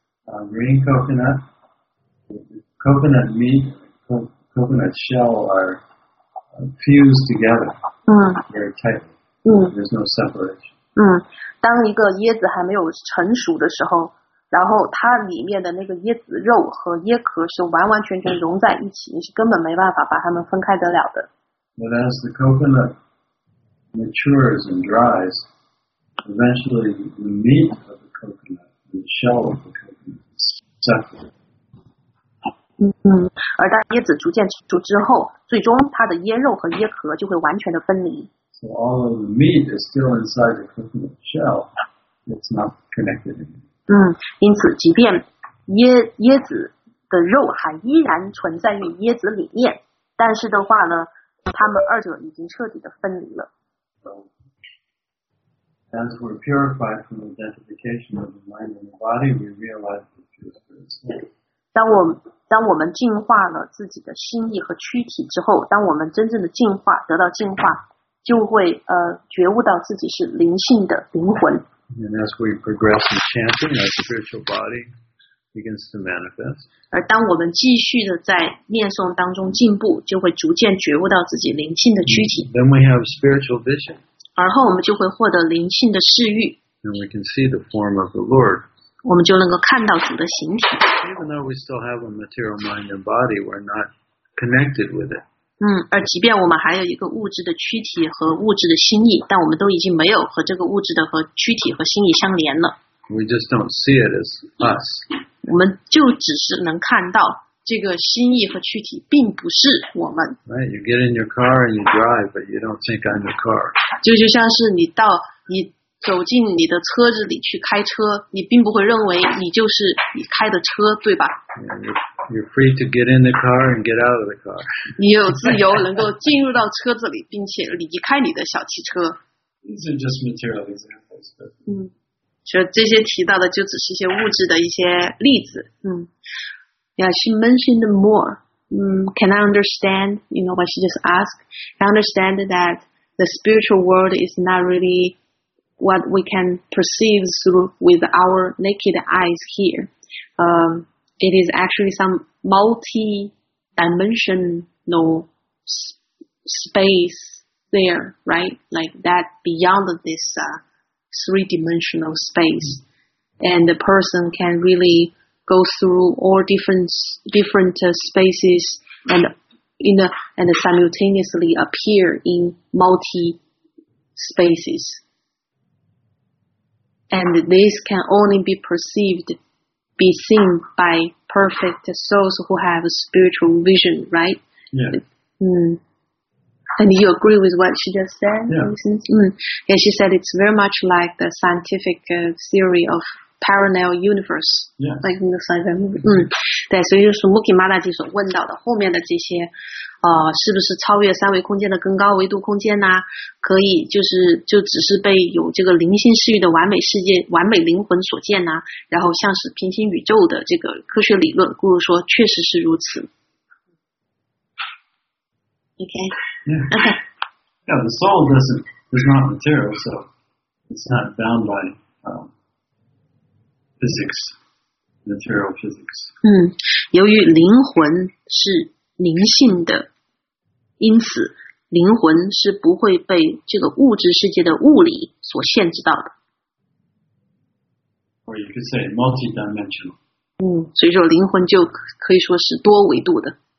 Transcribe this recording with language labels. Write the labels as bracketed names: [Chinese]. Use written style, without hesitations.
[English] Green coconut meat, coconut shell are fused together very tightly. There's no separation. [Chinese] 当一个椰子还没有成熟的时候，然后它里面的那个椰子肉和椰壳是完完全全融在一起，你是根本没办法把它们分开得了的。 [English] But as the coconut matures and dries, eventually the meat of the coconut, the shell of the coconut, [Chinese] 而当椰子逐渐成熟之后，最终它的椰肉和椰壳就会完全的分离。 [English] So all of the meat is still inside the coconut shell, It's not connected. [Chinese] 嗯，因此，即便椰子的肉还依然存在于椰子里面，但是的话呢，它们二者已经彻底的分离了。 [English] As we're purified from identification of the mind and the body, we realize the truth of the soul. [Chinese] 当我们净化了自己的心意和躯体之后，当我们真正的净化，得到净化，就会觉悟到自己是灵性的灵魂。 [English] And as we progress in chanting, our spiritual body begins to manifest. [Chinese] 而当我们继续的在念诵当中进步，就会逐渐觉悟到自己灵性的躯体。 [English] Then we have spiritual vision. [Chinese] 而后我们就会获得灵性的视域。 [English] And we can see the form of the Lord. [Chinese] 我们就能够看到主的形体。 [English] Even though we still have a material mind and body, we're not connected with it. [Chinese] 而即便我们还有一个物质的躯体和物质的心意，但我们都已经没有和这个物质的和躯体和心意相连了。 [English] We just don't see it as us. [Chinese] 我们就只是能看到这个心意和躯体并不是我们。 [English] Right, you get in your car and you drive, but you don't think I'm the car. [Chinese] 就像是你走进你的车子里去开车，你并不会认为你就是你开的车，对吧？ [English] You're free to get in the car and get out of the car. [Chinese] 你有自由能够进入到车子里，并且离开你的小汽车。 [English] These are just material examples. [Chinese] 就这些提到的就只是一些物质的一些例子。 [English] Yeah, she mentioned more. Can I understand, you know, what she just asked? I understand that the spiritual world is not really what we can perceive through with our naked eyes here. It is actually some multi-dimensional space there, right? Like that beyond this three-dimensional space. And the person can really go through all different spaces and simultaneously appear in multi-spaces. And this can only be perceived, be seen by perfect souls who have a spiritual vision, right? Yeah. And you agree with what she just said? Yeah. Yeah, she said it's very much like the scientific theory of parallel universe. Yeah. Like in the science movie. [Chinese] 对，所以就是 Mookie 妈大姐所问到的后面的这些，是不是超越三维空间的更高维度空间呢？可以，就只是被有这个灵性视域的完美世界、完美灵魂所见呢？然后像是平行宇宙的这个科学理论，故事说确实是如此。 [English] OK. Yeah. Yeah, the soul is not material, so it's not bound by physics. Material physics. [Chinese] 由于灵魂是灵性的，因此灵魂是不会被这个物质世界的物理所限制到的。 [English] Or you could say multi-dimensional. [Chinese] 所以说灵魂就可以说是多维度的。